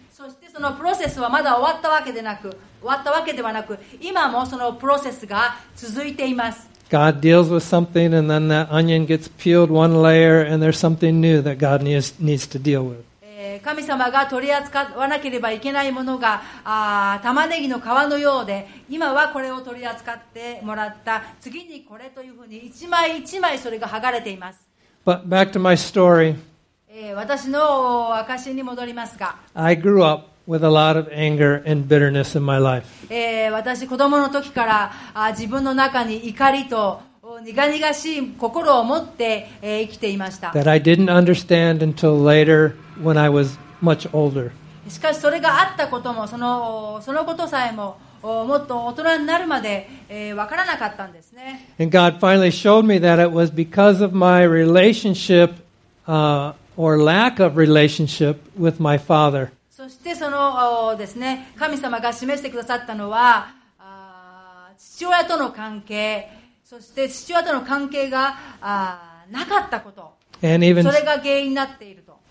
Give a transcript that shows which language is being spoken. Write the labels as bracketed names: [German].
[Japanese] そのプロセスはまだ終わったわけではなく、今もそのプロセスが続いています。 [English] God deals with something and then that onion gets peeled one layer and there's something new that God needs to deal with. [Japanese] 神様が取り扱わなければいけないものが玉ねぎの皮のようで、今はこれを取り扱ってもらった、次にこれというふうに一枚一枚それが剥がれています。 [English] But back to my story. [Japanese] 私の証に戻りますが、 [English] I grew up with a lot of anger and bitterness in my life. [Japanese] 私子供の時から自分の中に怒りと苦々しい心を持って生きていました。 [English] That I didn't understand until later when I was much older. [Japanese] しかしそれがあったことも、そのことさえももっと大人になるまで分からなかったんですね。 [English] And God finally showed me that it was because of my relationship. Or lack of relationship with my father. [Japanese] そしてそのですね、神様が示してくださったのは、父親との関係、そして父親との関係がなかったこと。 [English] And even [Japanese] それが原因になっていると。